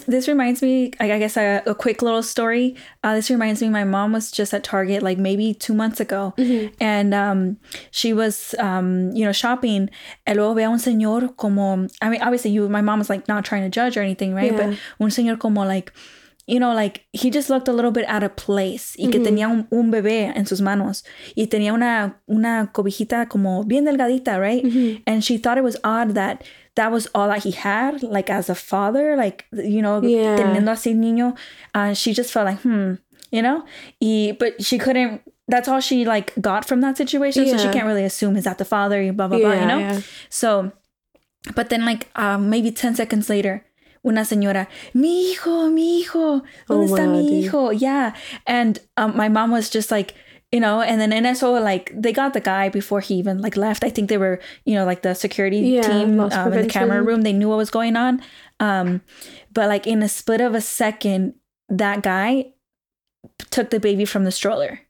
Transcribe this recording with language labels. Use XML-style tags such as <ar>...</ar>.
<en>This reminds me, like, I guess a quick little story. This reminds me, my mom was just at Target like maybe 2 months ago. Mm-hmm. And she was, you know, shopping.</en> <es>Y luego ve a un señor como,</es> <en>I mean, obviously my mom was like not trying to judge or anything, right? Yeah. But</en> <es>un señor como</es> <en>like, you know, like he just looked a little bit out of place. Y mm-hmm.</en> <es>que tenía un bebé en sus manos. Y tenía una cobijita como bien delgadita, right? Mm-hmm.</es> <en>And she thought it was odd that that was all that he had, like, as a father, like, you know, yeah.</en> <es>teniendo así niño.</es> <en>And she just felt like, you know? But she couldn't, that's all she, like, got from that situation. Yeah. So she can't really assume, is that the father, blah, blah, yeah, blah, you know? Yeah. So, but then, like, maybe 10 seconds later,</en> <es>una señora, mi hijo, ¿dónde está mi hijo? Yeah.</es> <en>And my mom was just like, you know, and then NSO, like, they got the guy before he even, like, left. I think they were, you know, like, the security team in the camera room. They knew what was going on. But, like, in a split of a second, that guy took the baby from the stroller.</en>